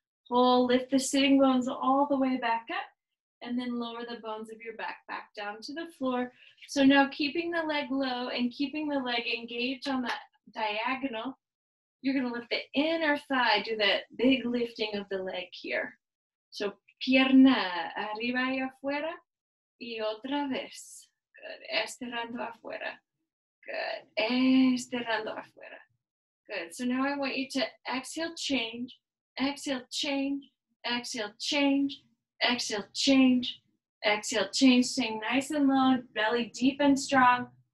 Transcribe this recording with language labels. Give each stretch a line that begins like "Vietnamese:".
English: Pull, lift the sitting bones all the way back up, and then lower the bones of your back back down to the floor. So now keeping the leg low and keeping the leg engaged on that diagonal, you're gonna lift the inner thigh, do that big lifting of the leg here.
Spanish: So pierna, arriba y afuera, y otra vez. Good, estirando afuera. Good, estirando afuera.
English: Good, so now I want you to exhale, change. Exhale, change, exhale, change, exhale, change, exhale, change. Staying nice and low, belly deep and strong.